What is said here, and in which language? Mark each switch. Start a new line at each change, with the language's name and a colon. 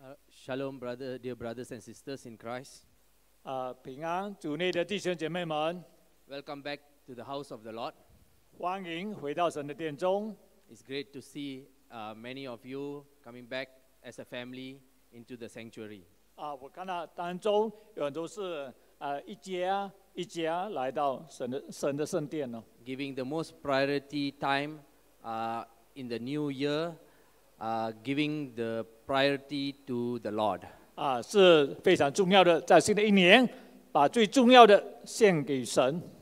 English: Shalom, brother, dear brothers and sisters in Christ.
Chinese: 平安，主内的弟兄姐妹们。
English: Welcome back to the house of the Lord.
Chinese: 欢迎回到神的殿中。
English: It's great to see many of you coming back as a family into the sanctuary.
Chinese: 我看到当中有很多是一家一家来到神的圣殿了。
English: Giving the most priority time in the new year. Giving the priority to the Lord.
Chinese: 是非常重要的，在新的一年，把最重要的献给神。